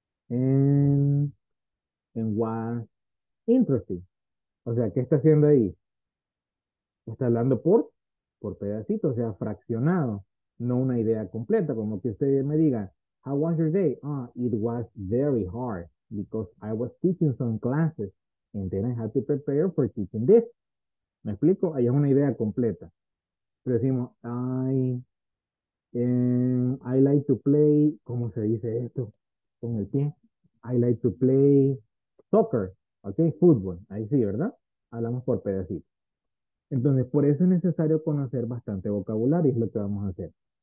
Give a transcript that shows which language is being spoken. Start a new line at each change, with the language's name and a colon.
English: And was interesting.
Spanish: O sea, ¿qué está haciendo ahí? Está hablando por pedacitos, o sea, fraccionado, no una idea completa, como que usted me diga.
English: How was your day? Ah, it was very hard because I was teaching some classes and then I had to prepare for teaching this.
Spanish: ¿Me explico? Ahí es una idea completa. Pero decimos,
English: I like to play,
Spanish: ¿cómo se dice esto? Con el pie.
English: I like to play soccer, ¿ok?
Spanish: Fútbol, ahí sí, ¿verdad? Hablamos por pedacitos. Entonces, por eso es necesario conocer bastante vocabulario, es lo que vamos a hacer.